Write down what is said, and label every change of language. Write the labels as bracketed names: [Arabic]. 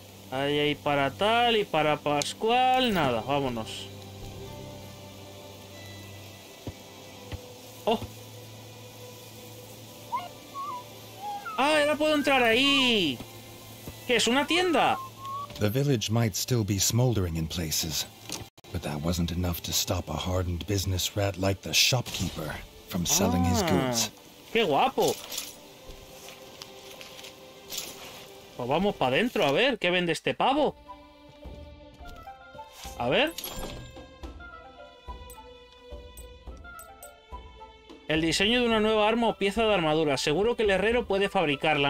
[Spanish] Ahí hay para tal y para Pascual. Nada, vámonos. ¡Oh! ¡Ah, ahora puedo entrar ahí! ¿Qué es? ¿Una tienda? [English] The village might still be smoldering in places, but that wasn't enough to stop a hardened business rat like the shopkeeper from selling his goods. [Spanish] ¡Qué guapo! Pues vamos para adentro, a ver, ¿qué vende este pavo? A ver. El diseño de una nueva arma o pieza de armadura. Seguro que el herrero puede fabricarla.